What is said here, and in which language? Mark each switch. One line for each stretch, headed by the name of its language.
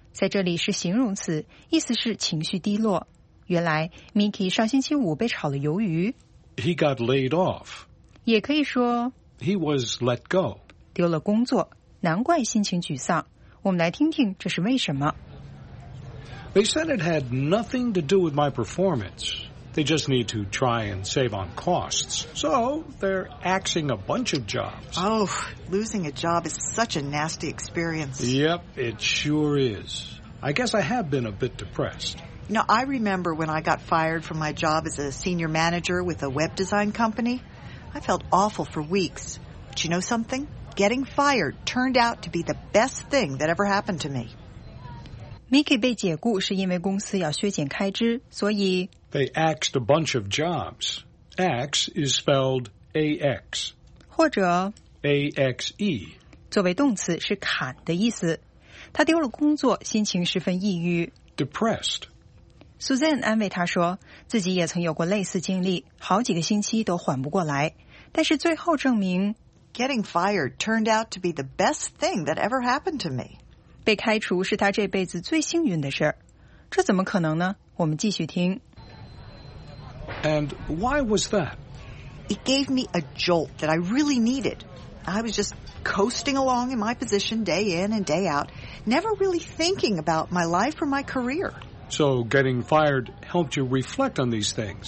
Chinese: 在这里是形容词，意思是情绪低落。原来 Mickey 上星期五被炒了鱿鱼。
English: He got laid off.
Chinese: 也可以说
English: He was let go.
Chinese: 丢了工作，难怪心情沮丧。我们来听听这是为什么。
English: They said it had nothing to do with my performance. They just need to try and save on costs. So, they're axing a bunch of jobs. Oh, losing a job is such a nasty experience. Yep, it sure is. I guess I have been a bit depressed. You know, I remember when I got fired from my job as a senior manager with a web design company. I felt awful for weeks. But you know something? Getting fired turned out to be the best thing that ever happened to me.
Chinese: Mickey 被解雇是因为公司要削减开支，所以
English: They axed a bunch of jobs. Axe is spelled A-X.
Chinese: 或者
English: A-X-E.
Chinese: 作为动词是砍的意思。他丢了工作，心情十分抑郁。
English: Depressed.
Chinese: Suzanne 安慰他说，自己也曾有过类似经历，好几个星期都缓不过来，但是最后证明
English: Getting fired turned out to be the best thing that ever happened to me.
Chinese: 被开除是他这辈子最幸运的事，这怎么可能呢？我们继续听。
English: And why was that? It gave me a jolt that I really needed. I was just coasting along in my position day in and day out, never really thinking about my life or my career. So getting fired helped you reflect on these things.